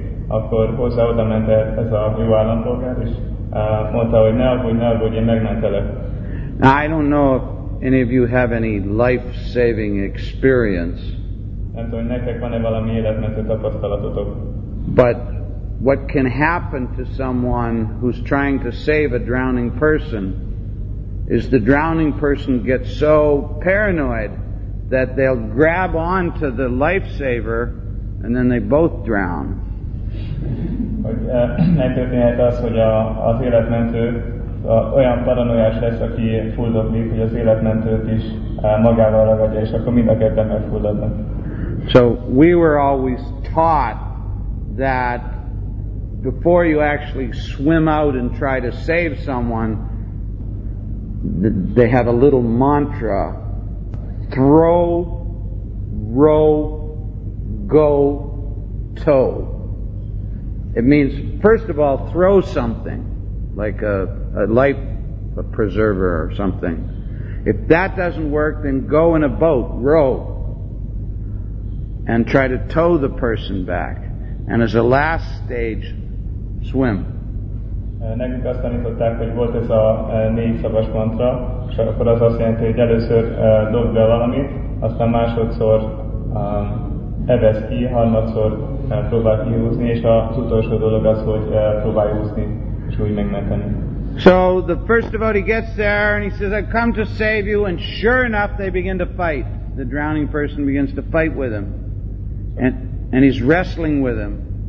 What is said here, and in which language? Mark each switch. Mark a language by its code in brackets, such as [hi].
[hu] Akkor hozzá oda ment ez a jó állampolgár, és mondta, hogy ne aggódj, én megmentelek. [en] Now, I don't know if any of you have any life-saving experience. [hu] Nem tudom, hogy nektek van-e valami életmentő tapasztalatotok. [en] But what can happen to someone who's trying to save a drowning person is the drowning person gets so paranoid that they'll grab on to the lifesaver and then they both drown. [hu] Hogy megtörténhet az, hogy az életmentő olyan paranoiás lesz, aki fuldoklik, hogy az életmentőt is magával ragadja, és akkor mind a ketten megfulladnak. [en] So we were always taught that before you actually swim out and try to save someone, they have a little mantra: throw, row, go, tow. It means, first of all, throw something, like a life preserver or something. If that doesn't work, then go in a boat, row, and try to tow the person back. And as a last stage, swim. [hu] Nekünk azt tanították, hogy volt ez a négy szavas mantra, és akkor az azt jelenti, hogy először dobd be valamit, aztán másodszor evesz ki, harmadszor próbál kihúzni, és az utolsó dolog az, hogy próbálj úszni, és úgy megmenteni. [en] So the first devotee gets there and he says, I've come to save you, and sure enough they begin to fight. The drowning person begins to fight with him. And he's wrestling with him.